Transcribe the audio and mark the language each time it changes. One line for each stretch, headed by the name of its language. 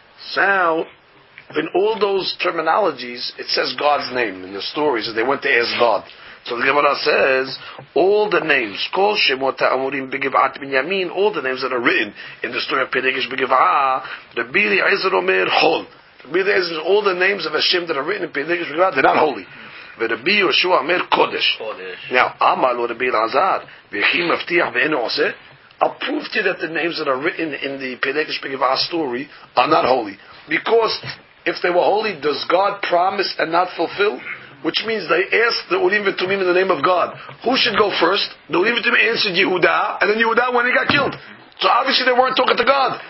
English: So, in all those terminologies, it says God's name in the stories, and they went to ask God. So the Gemara says, all the names,
Hebrew: Kol Shemot Ha'amurim B'Givat Binyamin,
English: all the names that are written in the story of Pileges B'Givah,
Hebrew: Rabbi Eliezer Omer Chol.
English: Rabbi Eliezer, all the names of Hashem that are written in Pileges B'Givah, they're not holy.
Hebrew: ורבי יהושע אומר קודש. Now, אמר לו רבי אלעזר, וכי מבטיח ואין הוא עושה?
English: I'll prove to you that the names that are written in the Pelekes Begivah story are not holy. Because if they were holy, does God promise and not fulfill? Which means they asked the Urim V'Tumim in the name of God. Who should go first? The Urim V'Tumim answered Yehuda, and then Yehuda when he got killed. So obviously they weren't talking to God.